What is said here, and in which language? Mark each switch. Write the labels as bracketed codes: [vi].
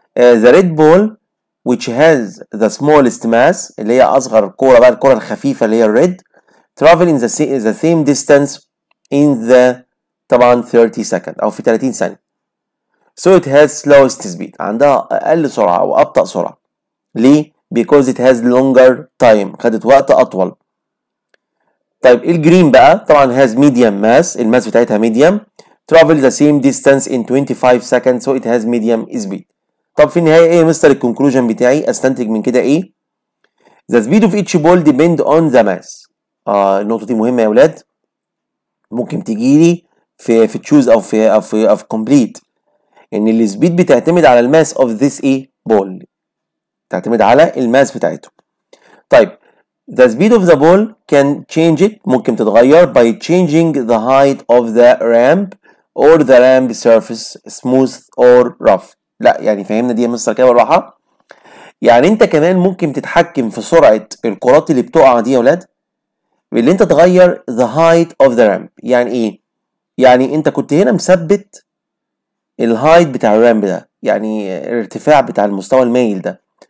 [en] The red ball which has the smallest mass، [ar] اللي هي اصغر كوره بقى، الكوره الخفيفه اللي هي الريد، [en] travel in the same distance in the [ar] طبعا [en] 30 second [ar] او في 30 ثانيه. [en] So it has slowest speed، [ar] عندها اقل سرعه او ابطا سرعه. ليه؟ [en] because it has longer time، [ar] خدت وقت اطول. طيب الجرين بقى طبعا [en] has medium mass، [ar] الماس بتاعتها [en] medium، travel the same distance in 25 seconds so it has medium speed. [ar] طب في النهايه ايه مستر الكونكلوجن بتاعي؟ استنتج من كده ايه؟ [en] the speed of each ball depend on the mass. [ar] النقطه دي مهمه يا اولاد، ممكن تيجي لي في choose او في complete، ان السبيد بتعتمد على الماس [en] of this a ball، [ar] تعتمد على الماس بتاعته. طيب [en] the speed of the ball can change it، [ar] ممكن تتغير [en] by changing the height of the ramp or the ramp surface smooth or rough. [ar] لا يعني فهمنا دي يا مستر كده بالراحة، يعني انت كمان ممكن تتحكم في سرعة الكرات اللي بتقع دي يا ولاد، اللي انت تغير [en] the height of the ramp. [ar] يعني ايه؟ يعني انت كنت هنا مثبت الهايت بتاع الرامب ده، يعني الارتفاع بتاع المستوى المايل ده.